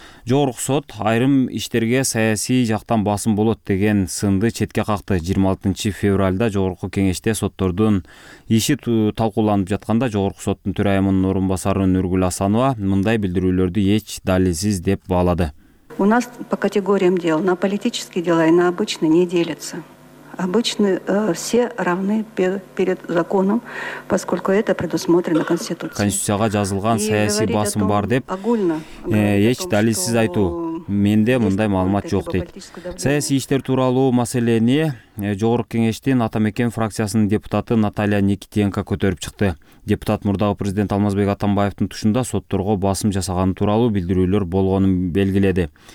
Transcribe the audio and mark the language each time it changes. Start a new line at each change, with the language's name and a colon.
Kyrgyz: Жогорку сот айрым иштерге саясий жактан басым болот деген сынды четке какты. 26 февралда жогорку кеңеште соттордун иши талкууланып жатканда жогорку соттун төрайымынын орун басары Нургүл Асанова мындай билдирүүлөрдү эч далилсиз деп баалады.
Russian: У нас по категориям дел на политические дела и на обычные не делятся. Обычно все равны перед законом, поскольку это предусмотрено Конституцией.
Kyrgyz: Конституцияга жазылган саясий басым бар деп, эч далилсиз айтуу. Менде мындай маалымат жок дейт. Саясий иштер тууралуу маселени Жогорку Кеңештин Атамекен фракциясынын депутаты Наталья Никитенко көтөрүп чыкты. Депутат мурдагы президент Алмазбек Атамбаевдин тушунда сотторго басым жасаганы тууралуу билдирүүлөр болгонун белгиледи.